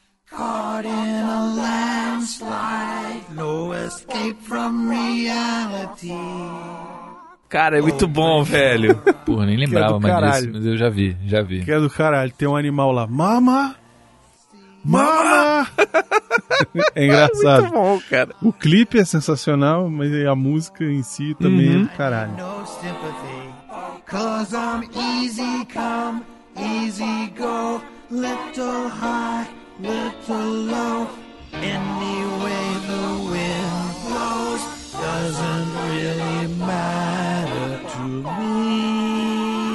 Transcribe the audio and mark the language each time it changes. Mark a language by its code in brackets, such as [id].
[en] Caught in a landslide, no escape from reality. [pt] Cara, é muito bom, velho. Porra, nem lembrava mais disso, mas eu já vi. Que é do caralho, tem um animal lá. Mama! Mama! É engraçado. É muito bom, cara. O clipe é sensacional, mas a música em si também é do caralho. [en] No sympathy, 'cause I'm easy come, easy go, little high, little low. Any way the wind blows doesn't really matter to me.